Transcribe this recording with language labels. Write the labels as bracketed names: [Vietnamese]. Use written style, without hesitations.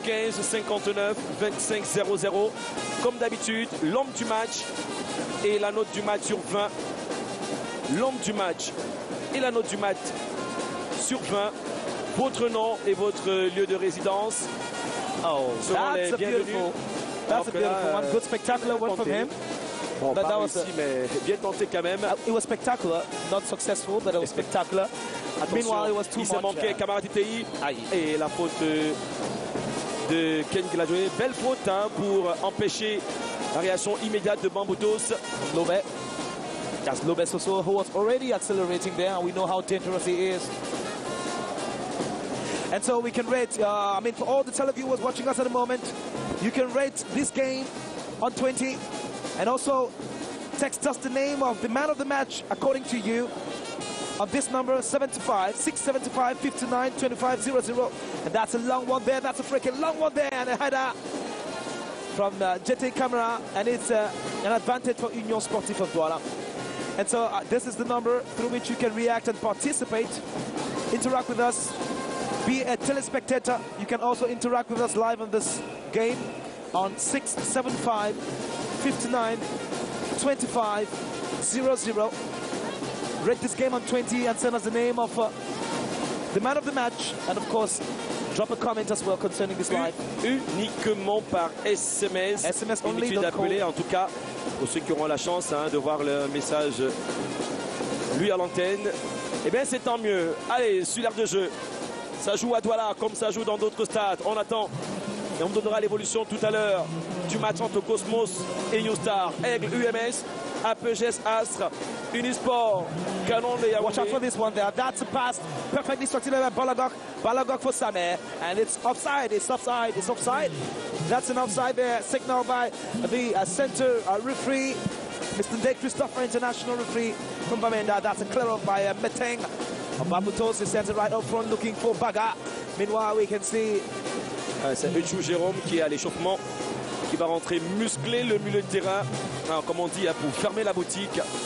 [French] 675-59-25-00. Comme d'habitude, l'homme du match et la note du match sur 20. L'homme du match et la note du match sur 20. Votre nom et votre lieu de résidence. Oh, selon les bienvenus. [English] That's a beautiful one. Good spectacular one from him. [French] Bon, [English] but that was [French] ici, mais bien tenté quand même. [English] It was spectacular. Not successful, but it was spectacular. Meanwhile, it was too much. [French] Il s'est manqué, [English] Kamara Titei. [French] Et la faute de Ken Gladjoué. Belle faute, hein, pour empêcher la réaction immédiate de Bambutos. Lobé. [English] That's Lobé Soso, who was already accelerating there. And we know how dangerous he is. And so we can rate, for all the televiewers watching us at the moment, you can rate this game on 20 and also text us the name of the man of the match according to you on this number 75 675 59 2500. And that's a long one there, that's a freaking long one there, and a header from JT Camera, and it's an advantage for Union Sportive of Douala. And so this is the number through which you can react and participate, interact with us, be a telespectator. You can also interact with us live on this game on 675 59 25 00. Rate this game on 20 and send us the name of the man of the match, and of course drop a comment as well concerning this live. [French] Uniquement par SMS [English] only, [French] d'appeler en tout cas pour ceux qui auront la chance, hein, de voir le message lui à l'antenne. Eh bien, c'est tant mieux. Allez, sur l'air de jeu, ça joue à Douala comme ça joue dans d'autres stades. On attend et on donnera l'évolution tout à l'heure du match entre Cosmos et New Star. Aigle UMS, APGS Astre. Unisport canon de Yaoundé. [English] Watch out for this one there. That's a pass perfectly structured by Balogok. Balogok for Sané. And it's offside. It's offside. It's offside. That's an offside there. Signal by the center referee, Mr. De Christopher, international referee from Bamenda. That's a clear off by Meteng. Bamutos is centered right up front looking for Baga. Meanwhile, we can see. [French] C'est Uchou Jérôme qui est à l'échauffement, qui va rentrer muscler le milieu de terrain. Alors, comme on dit, pour fermer la boutique.